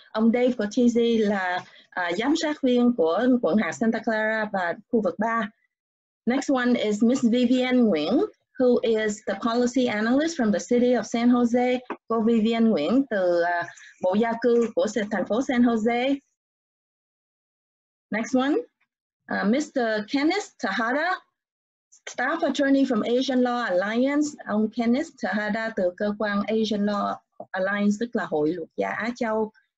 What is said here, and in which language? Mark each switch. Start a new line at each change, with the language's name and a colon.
Vietnamese: Ông Dave Cortese là giám sát viên của quận hạt Santa Clara và khu vực 3.
English: Next one is Ms. Vivian Nguyen, who is the Policy Analyst from the City of San Jose.
Vietnamese: Cô Vivian Nguyen từ Bộ Gia cư của thành phố San Jose.
English: Next one, Mr. Kenneth Tejada, Staff Attorney from Asian Law Alliance.
Vietnamese: Ông Kenneth Tejada từ cơ quan Asian Law Alliance, tức là Hội Luật gia Á Châu.